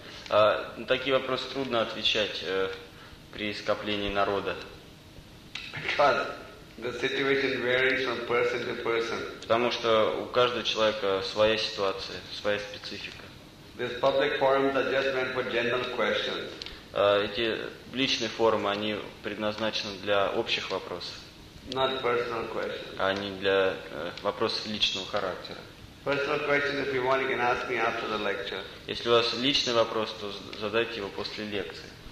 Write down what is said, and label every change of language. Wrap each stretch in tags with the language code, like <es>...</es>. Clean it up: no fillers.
<ru>На такие вопросы трудно отвечать при скоплении народа.</ru> <en>Because the situation varies from person to person.</en> <ru>Потому что у каждого человека своя ситуация, своя специфика.</ru> <en>These public forums are just meant for general questions.</en> <ru>эти личные форумы, они предназначены для общих вопросов.</ru> <en>Not personal questions.</en> <ru>А не для вопросов личного характера.</ru> <en>Personal questions, if you want, you can ask me after the lecture.</en> <ru>Если у вас личный вопрос, то задайте его после лекции.</ru>